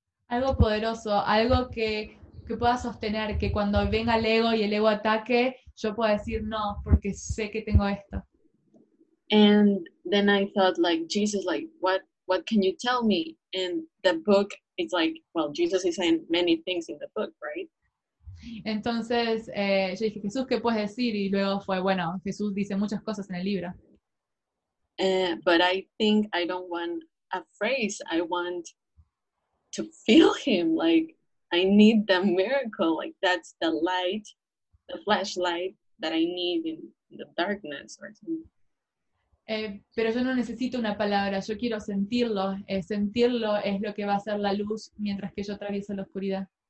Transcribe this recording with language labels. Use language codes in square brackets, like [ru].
[es] Algo poderoso, algo que pueda sostener, que cuando venga el ego y el ego ataque, yo pueda decir no, porque sé que tengo esto. [en] And then I thought, like, Jesus, like, what can you tell me? And the book is like, well, Jesus is saying many things in the book, right? [es] Entonces, yo dije, Jesús, ¿qué puedes decir? Y luego fue, bueno, Jesús dice muchas cosas en el libro. [en] But I think I don't want a phrase, I want to feel him, like, I need the miracle, like that's the light, the flashlight that I need in the darkness or something. [es] Pero yo no necesito una palabra, yo quiero sentirlo. Sentirlo es lo que va a ser la luz mientras que yo atravieso la oscuridad.